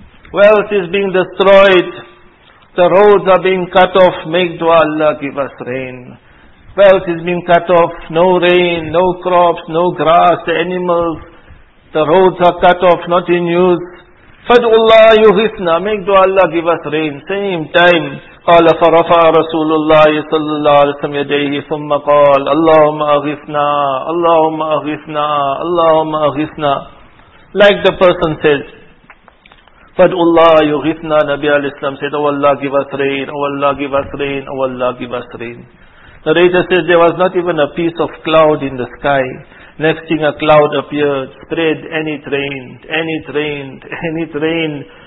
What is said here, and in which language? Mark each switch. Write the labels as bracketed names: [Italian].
[English] Wealth is being destroyed. The roads are being cut off. Make dua Allah, give us rain. Well, it's been cut off. No rain, no crops, no grass, the animals. The roads are cut off, not in use. [Arabic] Fad'ullah yughithna. [English] Make dua Allah give us rain. Same time. [Arabic] قال فرفع رسول الله صلى الله عليه وسلم يديه ثم قال اللهم أغثنا اللهم أغثنا اللهم أغثنا. [English] Like the person says, [Arabic] فَدْءُ اللَّهِ يُغِثْنَا. [English] Nabi عليه السلام said, Oh Allah give us rain, Oh Allah give us rain, Oh Allah give us rain. Narrator says there was not even a piece of cloud in the sky. Next thing a cloud appeared, spread, and it rained, and it rained, and it rained.